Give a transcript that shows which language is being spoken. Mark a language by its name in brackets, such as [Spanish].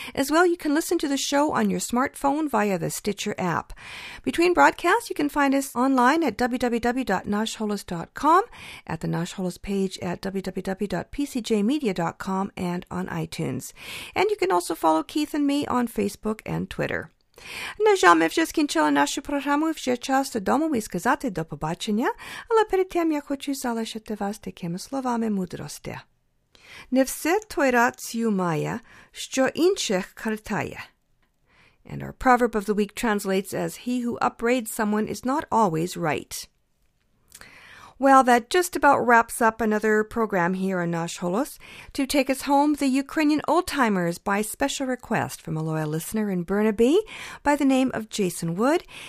[English] As well, you can listen to the show on your smartphone via the Stitcher app. Between broadcasts, you can find us online at www.nashholos.com, at the Nash Holos page at www.pcjmedia.com, and on iTunes. And you can also follow Keith and me on Facebook and Twitter. [Ukrainian] На жаль, ми вже скінчили нашу програму, вже час додому і сказати до побачення, але перед тим я хочу залишити вас такими словами мудрості. Не все той рацію має, що інших картає. [English] And our proverb of the week translates as, he who upbraids someone is not always right. Well, that just about wraps up another program here on Nash Holos. To take us home, the Ukrainian Oldtimers by special request from a loyal listener in Burnaby by the name of Jason Wood.